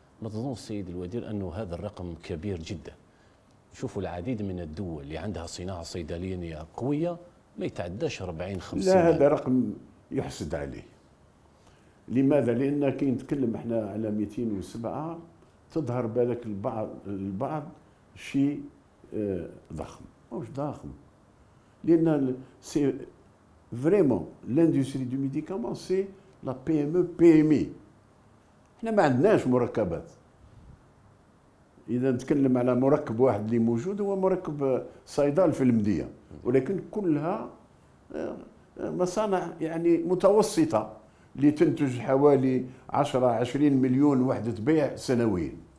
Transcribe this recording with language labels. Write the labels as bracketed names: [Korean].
[Arabic] ما تظن السيد الوزير أنه هذا الرقم كبير جدا؟ شوفوا العديد من الدول اللي عندها صناعة صيدلانية قوية ما يتعداش 40-50. لا، هذا رقم يحسد عليه. لماذا؟ لأن كي نتكلم احنا على 207 تظهر بالك البعض شيء ضخم. مش ضخم، لأن [French] vraiment l'industrie du médicament c'est la PME PMI. [Arabic] احنا ما عندناش مركبات. اذا نتكلم على مركب واحد اللي موجود هو مركب صيدال في المديه، ولكن كلها مصانع يعني متوسطه. اللي تنتج حوالي 10-20 مليون وحدة بيع سنويا.